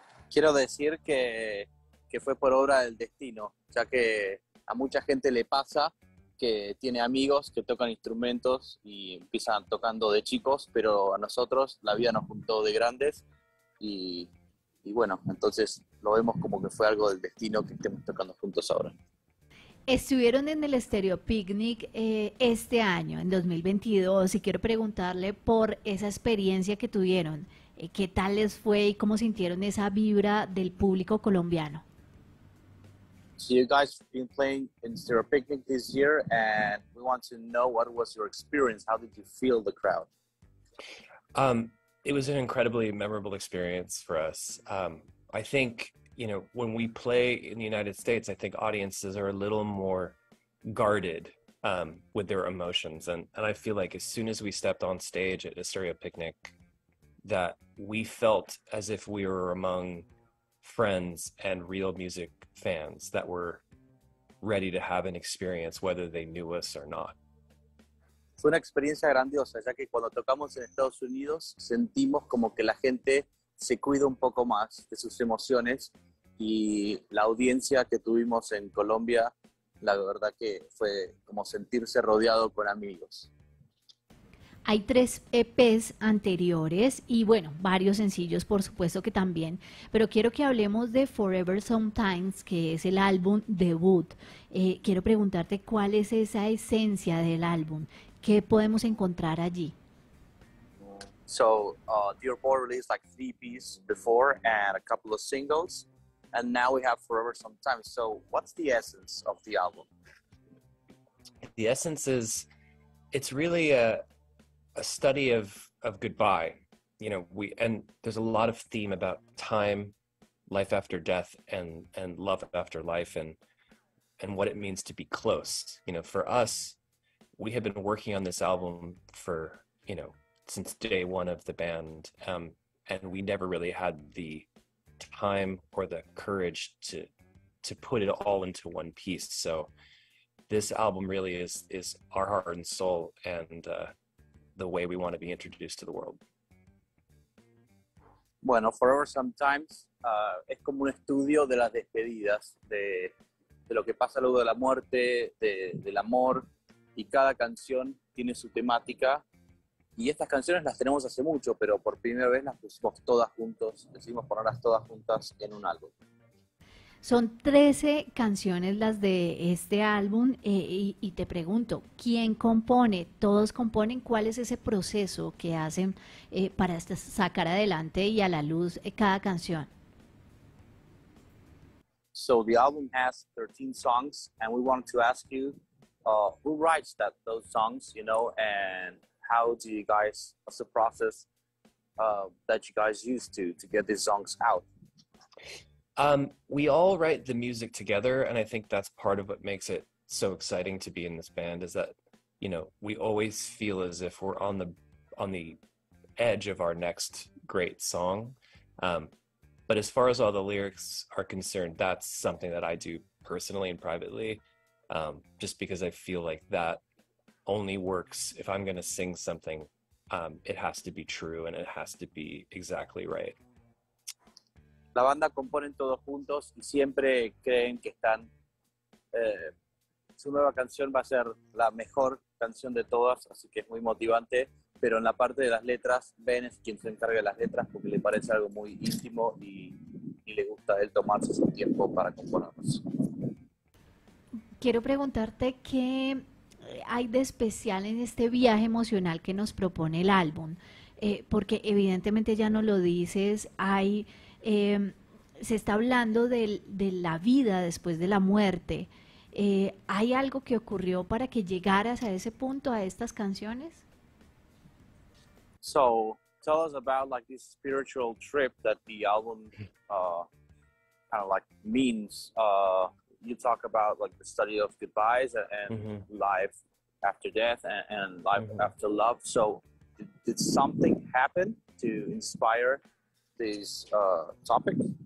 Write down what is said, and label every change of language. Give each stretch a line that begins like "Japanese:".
Spanish: Quiero decir que fue por obra del destino, ya que a mucha gente le pasa que tiene amigos que tocan instrumentos y empiezan tocando de chicos, pero a nosotros la vida nos juntó de grandes y bueno, entonces lo vemos como que fue algo del destino que estemos tocando juntos ahora. Estuvieron en el Estéreo Picnic este año, en 2022, y quiero preguntarle por esa experiencia que tuvieron. ¿Qué tal les fue y cómo sintieron esa vibra del público colombiano?
English: So you guys have been playing in Stereo Picnic this year, and we want to know what was your experience. How did you feel the crowd? It was an incredibly memorable experience for us. I think, you know, when we play in the United States, I think audiences are a little more guarded with their emotions. And I feel like as soon as we stepped on stage at a Stereo Picnic, that we felt as if we were among friends and real music fans that were ready to have an experience whether they knew us or not.
Spanish: Fue una experiencia grandiosa, ya que cuando tocamos en Estados Unidos sentimos como que la gente se cuida un poco más de sus emociones y la audiencia que tuvimos en Colombia, la verdad que fue como sentirse rodeado con amigos. Hay tres EPs anteriores y, bueno, varios sencillos, por supuesto que también, pero quiero que hablemos de Forever Sometimes, que es el álbum debut. Quiero preguntarte cuál es esa esencia del álbum. ¿Qué podemos encontrar allí?
English: So, Dear Boy released like 3 EPs before and a couple of singles, and now we have Forever Sometimes. So, what's the essence of the album? The essence is, it's really a study of goodbye, you know, and there's a lot of theme about time, life after death, and love after life, and what it means to be close. You know, for us, we have been working on this album for, you know, since day one of the band, and we never really had the time or the courage to put it all into one piece. So this album really is our heart and soul, and the way we want to be introduced to the world.
Spanish: Bueno, Forever Sometimes es como un estudio de las despedidas, de lo que pasa luego de la muerte, del amor, y cada canción tiene su temática. Y estas canciones las tenemos hace mucho, pero por primera vez las pusimos todas juntos, decidimos ponerlas todas juntas en un álbum. Son 13 canciones las de este álbum y te pregunto, ¿quién compone? ¿Todos componen? ¿Cuál es ese proceso que hacen para sacar adelante y a la luz cada canción?
English: So the album has 13 songs and we wanted to ask you who writes those songs, you know, and how do you guys, what's the process that you guys use to get these songs out? We all write the music together, and I think that's part of what makes it so exciting to be in this band is that, you know, we always feel as if we're on the edge of our next great song. But as far as all the lyrics are concerned, that's something that I do personally and privately, just because I feel like that only works if I'm going to sing something. It has to be true and it has to be exactly right.
Spanish: La banda componen todos juntos y siempre creen que están su nueva canción va a ser la mejor canción de todas, así que es muy motivante. Pero en la parte de las letras, Ben es quien se encarga de las letras porque le parece algo muy íntimo y le gusta él tomarse su tiempo para componerlos. Quiero preguntarte qué hay de especial en este viaje emocional que nos propone el álbum, porque evidentemente ya no lo dices, hay se está hablando de la vida después de la muerte. ¿Hay algo que ocurrió para que llegaras a ese punto, a estas canciones?
English: So, tell us about like this spiritual trip that the album kind of like means. You talk about like the study of goodbyes and mm-hmm. life after death and life mm-hmm. after love. So, did something happen to inspire this topic?